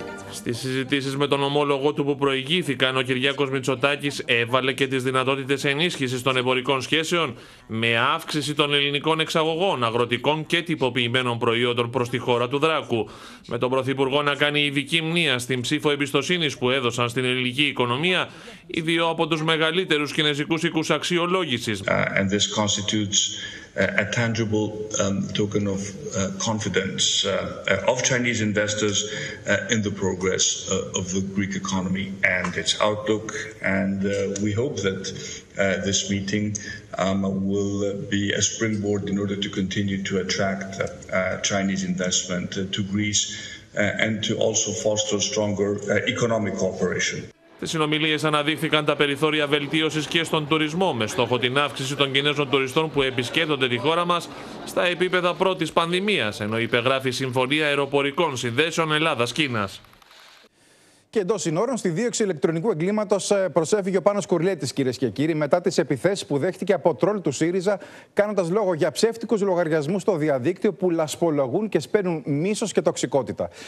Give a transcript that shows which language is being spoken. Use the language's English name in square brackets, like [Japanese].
[Greek] Στις συζητήσεις με τον ομόλογό του που προηγήθηκαν, ο Κυριάκος Μητσοτάκης έβαλε και τις δυνατότητες ενίσχυσης των εμπορικών σχέσεων με αύξηση των ελληνικών εξαγωγών, αγροτικών και τυποποιημένων προϊόντων προς τη χώρα του Δράκου. Με τον Πρωθυπουργό να κάνει ειδική μνήμα στην ψήφο εμπιστοσύνης που έδωσαν στην ελληνική οικονομία οι δύο από τους μεγαλύτερους κινέζικους οίκους αξιολόγησης. [English] A tangible token of confidence of Chinese investors in the progress of the Greek economy and its outlook. And we hope that this meeting will be a springboard in order to continue to attract Chinese investment to Greece and to also foster stronger economic cooperation. [Greek] Στις συνομιλίες αναδείχθηκαν τα περιθώρια βελτίωσης και στον τουρισμό με στόχο την αύξηση των Κινέζων τουριστών που επισκέπτονται τη χώρα μας στα επίπεδα πρώτης πανδημίας, ενώ υπεγράφει Συμφωνία Αεροπορικών Συνδέσεων Ελλάδας-Κίνας. Και εντός συνόρων, στη δίωξη ηλεκτρονικού εγκλήματος προσέφυγε ο Πάνος Κουρλέτης, κυρίες και κύριοι, μετά τις επιθέσεις που δέχτηκε από τρόλ του ΣΥΡΙΖΑ, κάνοντας λόγο για ψεύτικους λογαριασμούς στο διαδίκτυο που λασπολογούν και σπέρνουν μίσος και τοξικότητα.